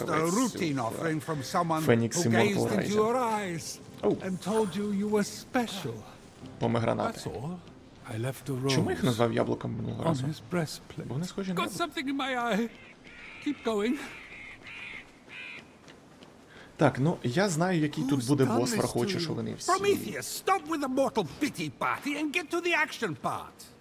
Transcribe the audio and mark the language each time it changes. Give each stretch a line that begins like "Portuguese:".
English: Just a routine offering from someone who gazed into your eyes and told you you were special.
Ukrainian: Помегранати.
English: That's all. I left the rose.
Ukrainian: Чому їх назвав яблуком минулого разу?
English: On his breastplate.
Ukrainian: Бо вони схожі на яблуко.
English: Got something in my eye. Keep going.
Ukrainian: Так, ну, я знаю, який тут буде бос, враховуючи, що вони всі...
English: Prometheus, stop with the mortal pity party and get to the action part.